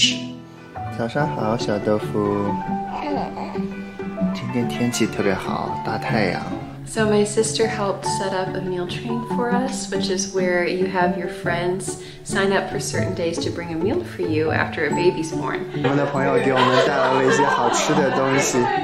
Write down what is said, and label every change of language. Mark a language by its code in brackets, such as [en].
[zh] 不过非常感谢我们的朋友这段时间给予我们很多的帮助和支持。早上好，小豆腐。今天天气特别好，大太阳。 [en] So my sister helped set up a meal train for us, which is where you have your friends sign up for certain days to bring a meal for you after a baby's born. [zh] 我们的朋友给我们带来了一些好吃的东西。